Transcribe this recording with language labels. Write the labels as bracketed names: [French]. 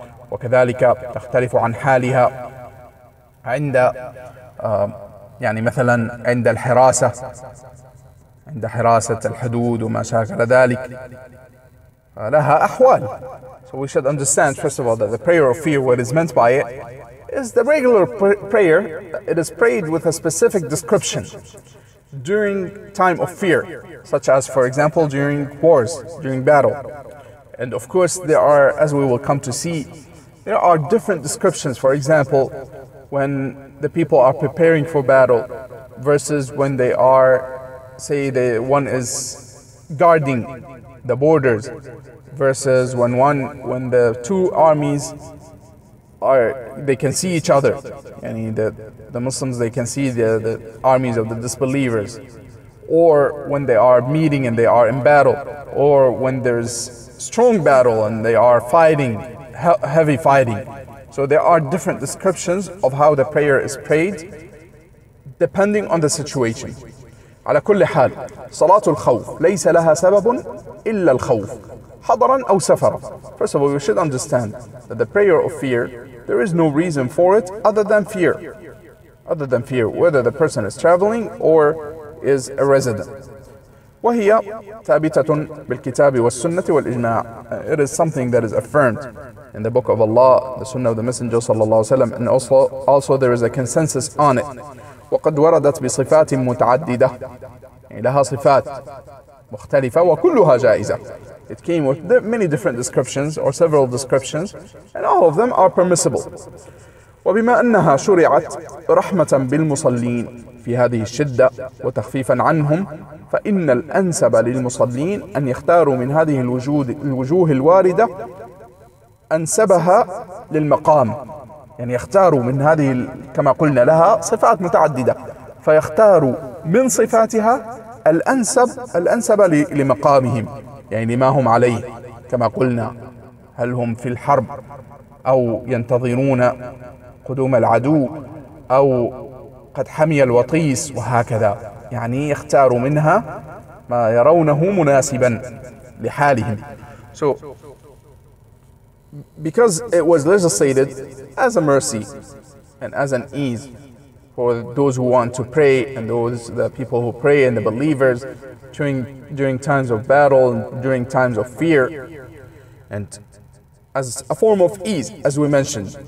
[Arabic] وكذلك تختلف عن حالها عند يعني مثلا عند الحراسة، عند حراسة الحدود وما شاكل ذلك. لها أحوال. [English] So we should understand, first of all, that the prayer of fear, what is meant by it, is the regular prayer. It is prayed with a specific description during time of fear, such as, for example, during wars, during battle. And of course, there are, as we will come to see, there are different descriptions. For example, when the people are preparing for battle versus when they are, say, the one is guarding the borders, versus when the two armies are, they can see each other. Yani the Muslims, they can see the armies of the disbelievers. Or when they are meeting and they are in battle. Or when there's strong battle and they are fighting, heavy fighting. So there are different descriptions of how the prayer is prayed depending on the situation. [Arabic] على كل حال، صلاة الخوف ليس لها سبب إلا الخوف. حضرا أو سفرا. [English] First of all, we should understand that the prayer of fear, there is no reason for it other than fear. Other than fear, whether the person is traveling or is a resident. [Arabic] وهي ثابتة بالكتاب والسنة والإجماع. [English] It is something that is affirmed in the book of Allah, the Sunnah of the Messenger صلى الله عليه وسلم. And also there is a consensus on it. [Arabic] وقد وردت بصفات متعددة. يعني لها صفات مختلفة وكلها جائزة. [English] It came with many different descriptions or several descriptions, and all of them are permissible. [Arabic] وبما أنها شرعت رحمة بالمصلين في هذه الشدة وتخفيفا عنهم، فإن الأنسب للمصلين أن يختاروا من هذه الوجوه الواردة أنسبها للمقام. يعني يختاروا من هذه، كما قلنا لها صفات متعددة، فيختاروا من صفاتها الأنسب لمقامهم، يعني ما هم عليه. كما قلنا، هل هم في الحرب أو ينتظرون قدوم العدو أو قد حمي الوطيس وهكذا. يعني يعني يختاروا منها ما يرونه مناسبا لحالهم. [English] So, because it was legislated as a mercy and as an ease for those who want to pray and those the people who pray and the believers during times of battle and during times of fear and as a form of ease, as we mentioned.